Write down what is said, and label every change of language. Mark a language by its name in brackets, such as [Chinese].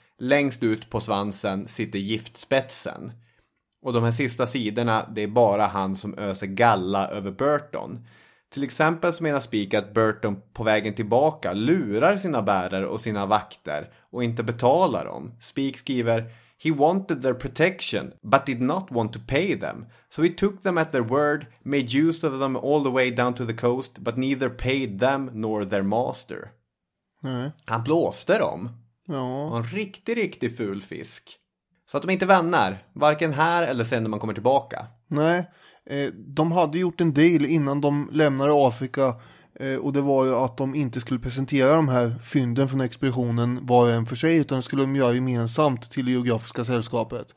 [Swedish] Längst ut på svansen sitter giftspetsen. Och de här sista sidorna, det är bara han som öser galla över Burton. Till exempel så menar Spik att Burton på vägen tillbaka lurar sina bärare och sina vakter och inte betalar dem. Spik skriver, [English] He wanted their protection, but did not want to pay them. So he took them at their word, made use of them all the way down to the coast, but neither paid them nor their master. [Swedish] Nej. Han blåste dem. Ja. En riktig, riktig ful fisk. Så att de inte vänner, varken här eller sen när man kommer tillbaka. Nej, de hade gjort en deal innan de lämnade Afrika. Och det var ju att de inte skulle presentera de här fynden från expeditionen var och en för sig, utan skulle de göra gemensamt till det geografiska sällskapet.